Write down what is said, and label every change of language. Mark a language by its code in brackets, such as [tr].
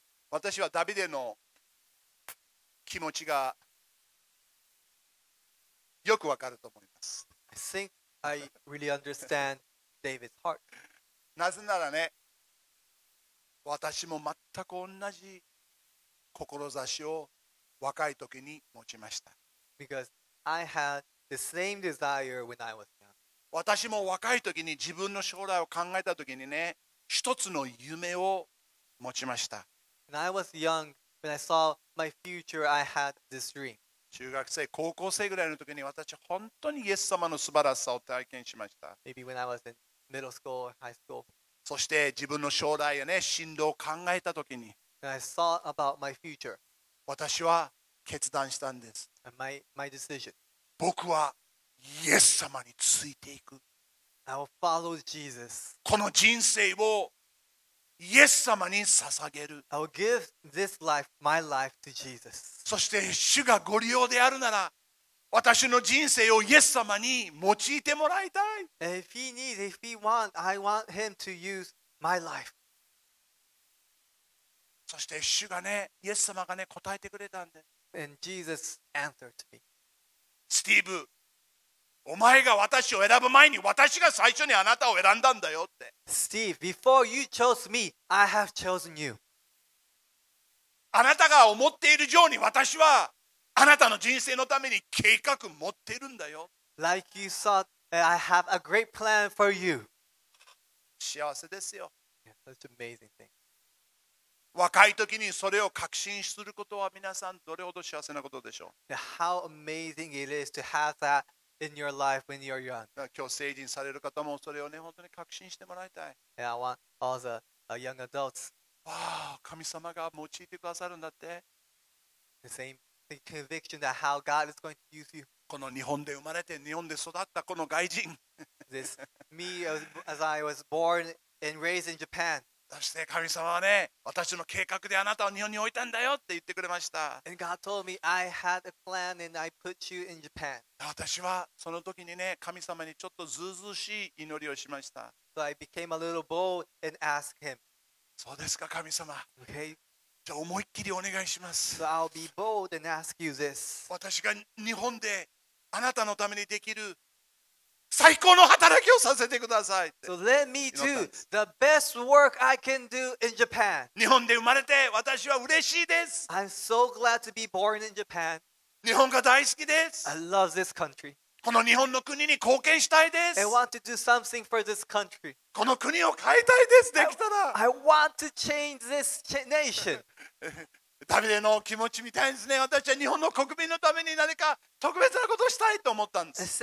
[ja] 私はダビデの気持ちがよくわかると思います。 [en] I think I really understand David's heart. [ja] なぜならね、私も全く同じ志を若い時に持ちました。 [en] Because I had the same desire when I was young. [ja] 私も若い時に自分の将来を考えた時にね、一つの夢を持ちました。 [en] When I was young, when I saw my future, I had this dream. [ja] 中学生、高校生ぐらいの時に私本当にイエス様の素晴らしさを体験しました。 [en] Maybe when I was in middle school or high school. [ja] そして自分の将来やね、進路を考えた時に、 [en] And I thought about my future. [ja] 私は決断したんです。 [en] And my decision. [ja] 僕はイエス様についていく。 [en] I will follow Jesus. [ja] この人生をイエス様に捧げる。 [en] I will give this life, my life to Jesus. [ja] そして主がご利用であるなら、私の人生をイエス様に用いてもらいたい。 [en] And if he needs, if he wants, I want him to use my life. [ja] そして主がね、イエス様がね、答えてくれたんで。 [en] And Jesus answered to me. [ja] スティーブ、お前が私を選ぶ前に私が最初にあなたを選んだんだよって。 [en] Steve, before you chose me, I have chosen you. [ja] あなたが思っている以上に私はあなたの人生のために計画持っているんだよ。 [en] Like you thought, I have a great plan for you. [ja] 幸せですよ。 [en] Yeah, that's an amazing thing. [ja] 若い時にそれを確信することは皆さんどれほど幸せなことでしょう。 [en] Yeah, how amazing it is to have that. In your life when you're young. [ja] 今日成人される方もそれをね本当に確信してもらいたい。 [en] And I want all the young adults. [ja] Wow, 神様が用いてくださるんだって。 [en] The same conviction that how God is going to use you. [ja] この日本で生まれて日本で育ったこの外人。 [en] This me as I was born and raised in Japan. [ja] そして神様はね私の計画であなたを日本に置いたんだよって言ってくれました。 [en] And God told me I had a plan and I put you in Japan. [ja] 私はその時にね神様にちょっとずうずうしい祈りをしました。 [en] So I became a little bold and asked him. [ja] そうですか神様。 [en] Okay. [ja] じゃあ思いっきりお願いします。 [en] So I'll be bold and ask you this. [ja] 私が日本であなたのためにできる最高の働きをさせてくださいって。 [en] So let me do the best work I can do in Japan. [ja] 日本で生まれて私は嬉しいです。 [en] I'm so glad to be born in Japan. [ja] 日本が大好きです。 [en] I love this country. [ja] この日本の国に貢献したいです。 [en] I want to do something for this country. [ja] この国を変えたいです。できたら。 [en] I want to change this nation. [ja] ダビデの気持ちみたいですね。私は日本の国民のために何か特別なことをしたいと思ったんです。